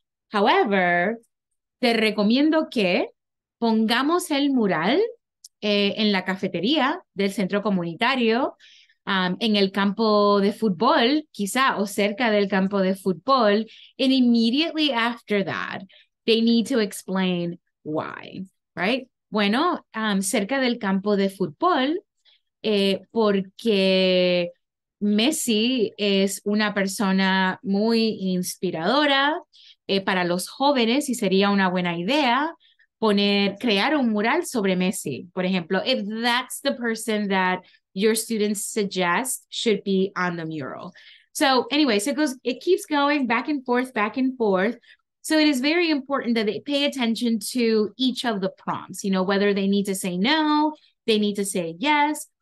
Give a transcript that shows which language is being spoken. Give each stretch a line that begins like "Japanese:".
Spanish: However, te recomiendo que pongamos el mural en la cafetería del centro comunitario, en el campo de fútbol, quizá, o cerca del campo de fútbol.
English: And immediately after that, they need to explain why, right?
Spanish: Bueno, cerca del campo de fútbol, porque Messi es una persona muy inspiradora para los jóvenes y sería una buena idea crear un mural sobre Messi, por ejemplo.
English: If that's the person that your students suggest should be on the mural. So anyways, it keeps going back and forth. So it is very important that they pay attention to each of the prompts, you know, whether they need to say no, they need to say yes.